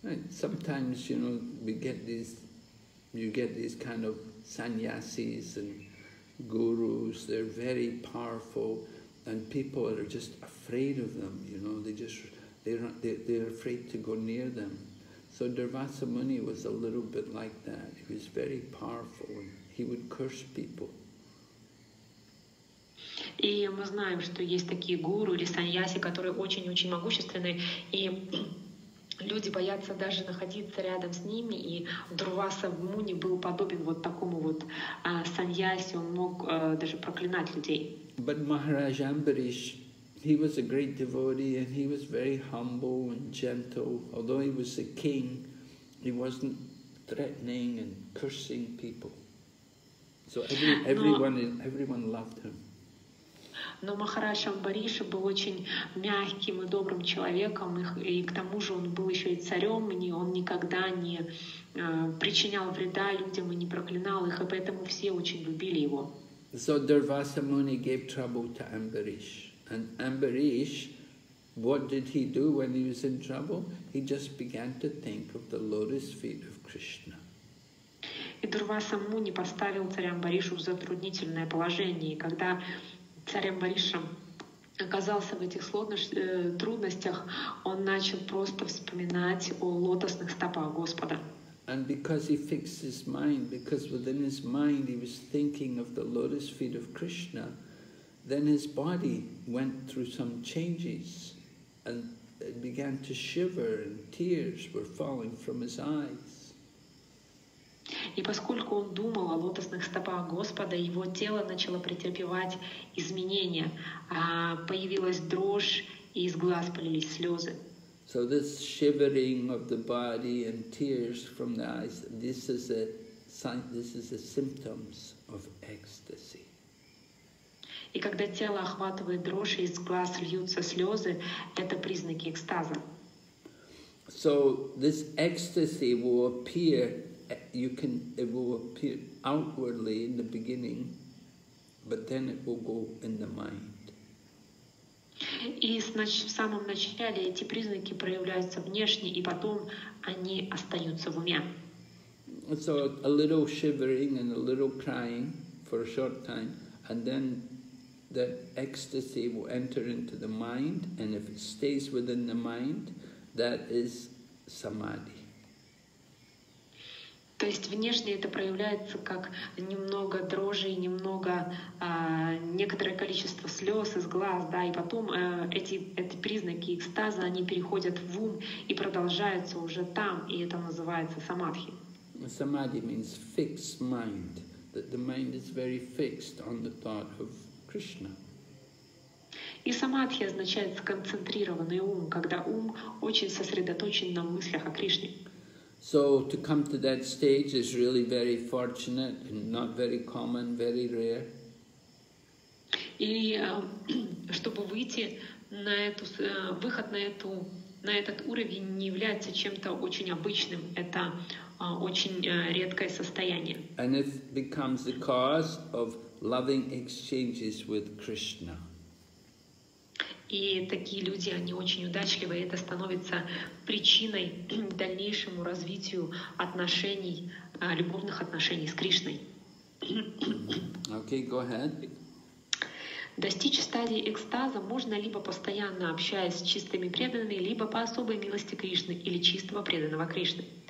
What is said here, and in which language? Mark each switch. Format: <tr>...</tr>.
<en>Sometimes, you know, you get these kind of sannyasis and gurus, they're very powerful, and people are just afraid of them, you know, they're afraid to go near them. So Durvasa Muni was a little bit like that. He was very powerful, and he would curse people.</en> <ru>И мы знаем, что есть такие гуру или саньяси, которые очень-очень могущественны, и люди боятся даже находиться рядом с ними, и Дурваса Муни был подобен вот такому вот саньяси, он мог даже проклинать людей.</ru> <en>But Maharaj Ambarish, he was a great devotee, and he was very humble and gentle. Although he was a king, he wasn't threatening and cursing people. So everyone loved him.</en> <ru>Но Махараш Амбариш был очень мягким и добрым человеком, и к тому же он был еще и царем, и он никогда не причинял вреда людям и не проклинал их, и поэтому все очень любили его.</ru> <en>So Durvasa Muni gave trouble to Ambarish. And Ambarish, what did he do when he was in trouble? He just began to think of the lotus feet of Krishna.</en> <ru>И Дурваса Муни поставил царя Амбаришу в затруднительное положение, когда царь Амбариш оказался в этих сложных трудностях, он начал просто вспоминать о лотосных стопах Господа.</ru> <en>And because he fixed his mind, because within his mind he was thinking of the lotus feet of Krishna, then his body went through some changes and it began to shiver and tears were falling from his eyes.</en> <ru>И поскольку он думал о лотосных стопах Господа, его тело начало претерпевать изменения. Появилась дрожь, и из глаз полились слезы.</ru> <en>So this shivering of the body and tears from the eyes, this is a symptoms of ecstasy.</en> <ru>И когда тело охватывает дрожь, и из глаз льются слезы, это признаки экстаза.</ru> <en>So this ecstasy will appear, it will appear outwardly in the beginning, but then it will go in the mind.</en> <ru>И в самом начале эти признаки проявляются внешне, и потом они остаются в уме.</ru> <en>So a little shivering and a little crying for a short time, and then the ecstasy will enter into the mind, and if it stays within the mind, that is samadhi.</en> <ru>То есть внешне это проявляется как немного дрожи и немного некоторое количество слез из глаз, да, и потом эти признаки экстаза они переходят в ум и продолжаются уже там, и это называется самадхи.</ru> <en>Samadhi means fixed mind, that the mind is very fixed on the thought of Krishna.</en> <ru>И самадхи означает сконцентрированный ум, когда ум очень сосредоточен на мыслях о Кришне.</ru> <en>So to come to that stage is really very fortunate and not very common, very rare.</en> <ru>И чтобы выйти на эту выход на эту на этот уровень не является чем-то очень обычным, это очень редкое состояние.</ru> <en>And it becomes the cause of loving exchanges with Krishna.</en> <ru>И такие люди, они очень удачливы, и это становится причиной дальнейшему развитию отношений, любовных отношений с Кришной.</ru> <en>Okay, go ahead.</en> <ru>Достичь стадии экстаза можно либо постоянно общаясь с чистыми преданными, либо по особой милости Кришны или чистого преданного Кришны.</ru>